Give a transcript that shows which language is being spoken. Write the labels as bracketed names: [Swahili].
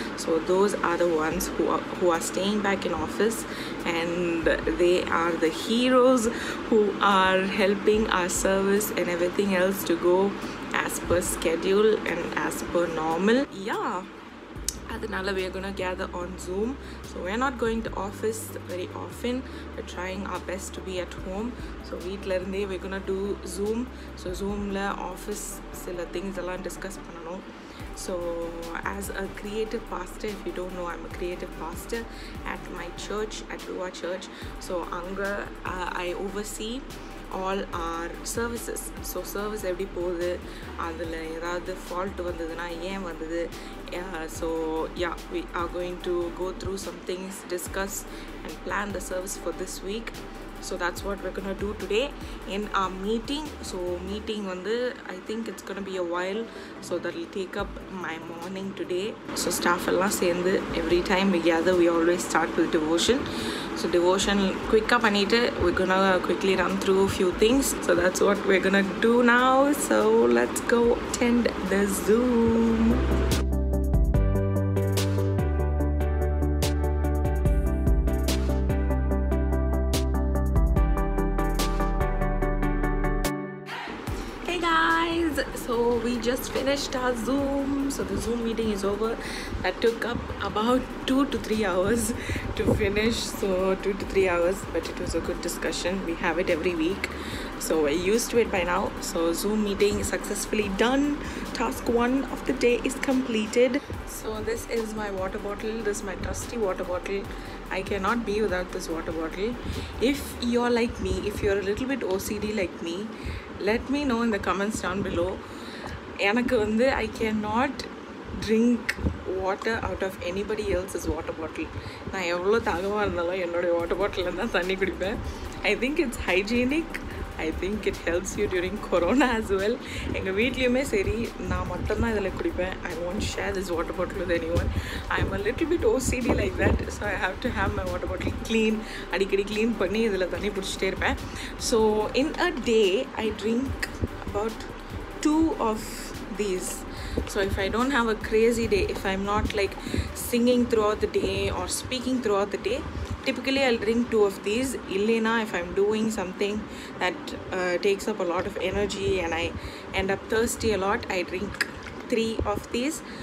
[English] So those are the ones who are staying back in office, and they are the heroes who are helping our service and everything else to go as per schedule and as per normal. Yeah. அதனால் we are gonna gather on Zoom. So we are not going to office very often. We trying our best to be at home. So வீட்டிலருந்தே we are gonna do Zoom. [Tamil] So ஜூமில் office சில things எல்லாம் discuss பண்ணணும். [English] So as a creative pastor, if you don't know, I'm a creative pastor at my church, at Ruah church. So அங்கே I oversee all our services. [Tamil] So service எப்படி போகுது, அதில் ஏதாவது fault வந்ததுன்னா ஏன் வந்தது. [English] So yeah, we are going to go through some things, discuss and plan the service for this week. So that's what we can do today in our meeting. So meeting வந்து I think it's gonna be a while, so that will take up my morning today. So staff எல்லாம் சேர்ந்து every time gather we always start with devotion. So devotion quick up anite, we're gonna quickly run through a few things. So that's what we're gonna do now. So let's go attend the Zoom. Hey guys, so we just finished our Zoom. So the Zoom meeting is over. That took up about 2 to 3 hours to finish. So 2 to 3 hours, but it was a good discussion. We have it every week, so we're used to it by now. So Zoom meeting is successfully done. Task one of the day is completed. So this is my water bottle. This is my trusty water bottle. I cannot be without this water bottle. If you're like me, if you're a little bit OCD like me, let me know in the comments down below. [Tamil] எனக்கு வந்து [English] I cannot drink water out of anybody else's water bottle. [Tamil] நான் எவ்வளோ தாகமாக இருந்தாலும் என்னுடைய water bottle தான் தண்ணி குடிப்பேன். [English] I think it's hygienic, I think it helps you during corona as well. [Tamil] எங்கள் வீட்லேயுமே சரி, நான் மட்டும்தான் இதில் குடிப்பேன். [English] I want share this water bottle with anyone. I am a little bit OCD like that. So I have to have my water bottle clean, [Tamil] அடிக்கடி clean பண்ணி இதில் தண்ணி பிடிச்சிட்டே இருப்பேன். [English] So in a day I drink about 2 of these. So if I don't have a crazy day, if I'm not like singing throughout the day or speaking throughout the day, typically I'll drink two of these. Illena, if I'm doing something that takes up a lot of energy and I end up thirsty a lot, I drink three of these.